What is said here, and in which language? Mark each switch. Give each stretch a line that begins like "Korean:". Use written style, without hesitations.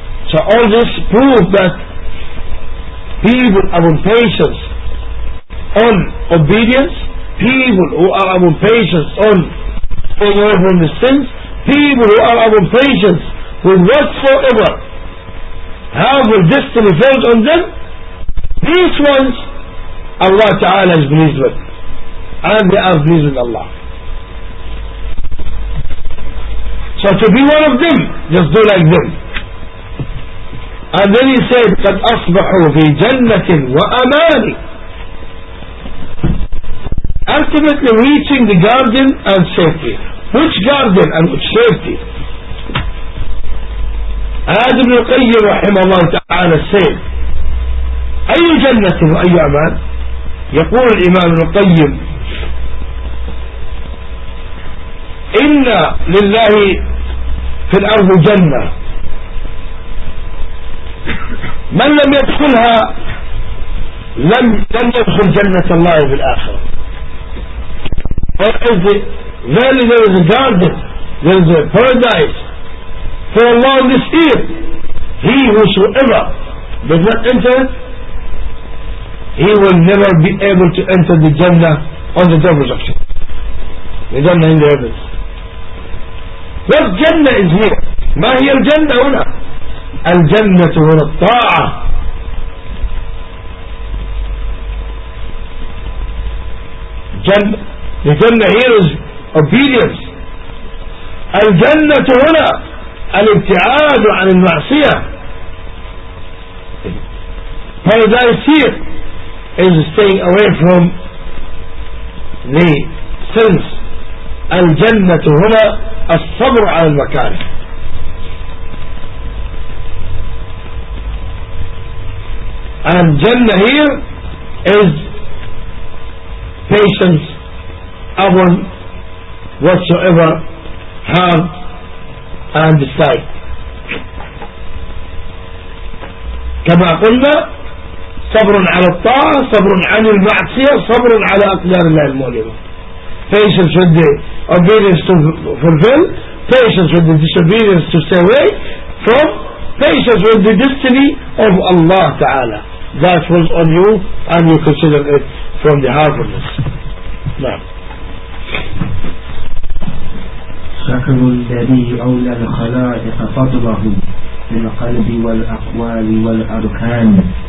English: So all this proves that people of impatience on obedience, people who are of impatience on staying away from the sins, people who are of impatience with whatsoever have a destiny falls on them, these ones Allah Ta'ala is pleased with, and they are pleased with Allah. So to be one of them, just do like them. And then he said,
Arabic: قَدْ أَصْبَحُوا فِي جَنَّةٍ وَأَمَانِ.
English: Ultimately reaching the garden and safety. Which garden and which safety?
Arabic: عاد بن القيم رحمه الله تعالى said, أي جنة وأي أمان؟ يقول الإمام القيم, إن لله في الأرض جنة من لم يدخلها لم يدخل جنة الله في الآخرة.
English: Verily there is a garden, there is a paradise for Allah on this earth. He whosoever does not enter it, he will never be able to enter the Jannah on the day of resurrection. The Jannah in the heavens. What Jannah is here?
Arabic: ما هي الجنة هنا؟ الجنة هنا الطاعة. جنة.
English: The Jannah here is obedience.
Arabic: الجنة هنا الابتعاد عن المعصية.
English: Paradise here is staying away from the sins.
Arabic: الجنة هنا الصبر على المكاره.
English: And Jannah here is patience upon whatsoever have and decide.
Arabic: كما قلنا صبر على الطاعة, صبر عن المعصية, صبر على أقدار الله المؤلمة.
English: Patience with the obedience to fulfill, patience with the disobedience to stay away from, patience with the destiny of Allah Ta'ala that falls on you, and you consider it from the harmfulness.
Arabic: شكر الذي أولى الخلائق فضله في القلب والأقوال والأركان.